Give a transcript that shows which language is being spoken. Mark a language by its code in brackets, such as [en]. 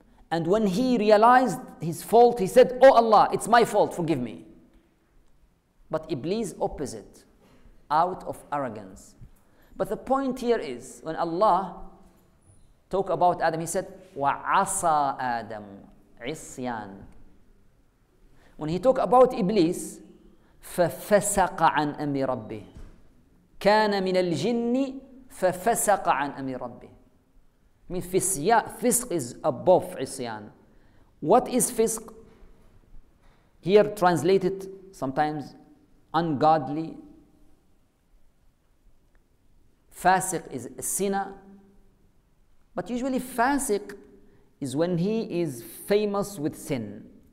[en] And when he realized his fault, he said, oh Allah, it's my fault, forgive me. But Iblis opposite, out of arrogance. But the point here is, when Allah talk about Adam, he said, [ar] وَعَصَى آدَمُ عِصْيَان. [en] When he talk about Iblis, [ar] فَفَسَقَ عَنْ أَمْرِ رَبِّهِ كَانَ مِنَ الْجِنِّ فَفَسَقَ عَنْ أَمْرِ رَبِّهِ. [en] I mean, fisq is above [ar] عِصْيَان. [en] What is fisq? Here translated sometimes ungodly. Fasiq is a sinner, but usually fasiq is when he is famous with sin.